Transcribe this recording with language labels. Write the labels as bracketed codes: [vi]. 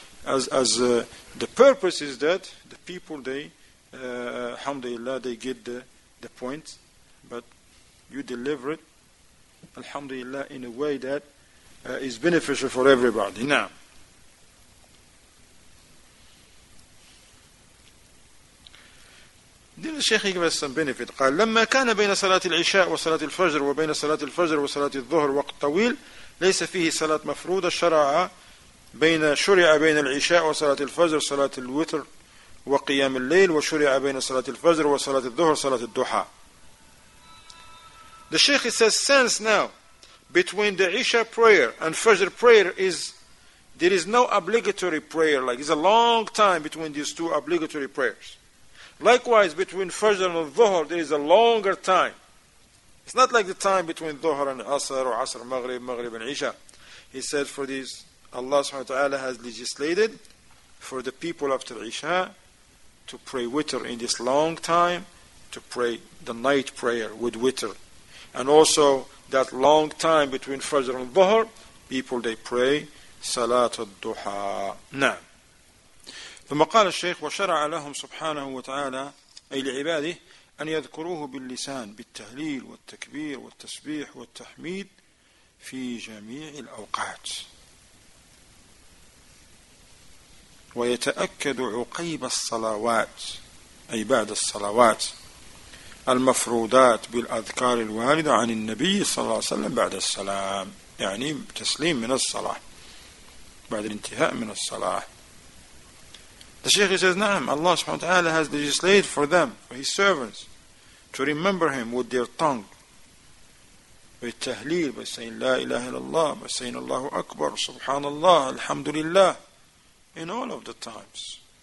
[en] as the purpose is that the people they alhamdulillah they get the point, but you deliver it alhamdulillah in a way that is beneficial for everybody. Now, [ar] دين الشيخ يقبل [en] some benefit. [ar] قال لما كان بين صلاة العشاء وصلاة الفجر وبين صلاة الفجر وصلاة الظهر وقت طويل ليس فيه صلاة مفروضة شرع بين شرع بين العشاء وصلاة الفجر صلاة الوتر وقيام الليل وشرع بين صلاة الفجر وصلاة الظهر صلاة الضحى. [en] The Sheikh says since now between the Isha prayer and Fajr prayer is there is no obligatory prayer, like it's a long time between these two obligatory prayers. Likewise, between Fajr and Dhuhr, there is a longer time. It's not like the time between Dhuhr and Asr, or Asr, Maghrib, Maghrib and Isha. He said for this, Allah subhanahu wa ta'ala has legislated for the people after Isha to pray witr in this long time, to pray the night prayer with witr. And also, that long time between Fajr and Dhuhr, people, they pray Salat al-Duha. [ar] Naam. ثم قال الشيخ وشرع لهم سبحانه وتعالى أي لعباده أن يذكروه باللسان بالتهليل والتكبير والتسبيح والتحميد في جميع الأوقات ويتأكد عقيب الصلوات أي بعد الصلوات المفروضات بالأذكار الواردة عن النبي صلى الله عليه وسلم بعد السلام يعني تسليم من الصلاة بعد الانتهاء من الصلاة. [en] The Sheikh says, "Naam, Allah subhanahu wa ta'ala has legislated for them, for His servants, to remember Him with their tongue. With tahleel, by saying, La ilaha illallah, by saying, Allahu Akbar, Subhanallah, Alhamdulillah, in all of the times.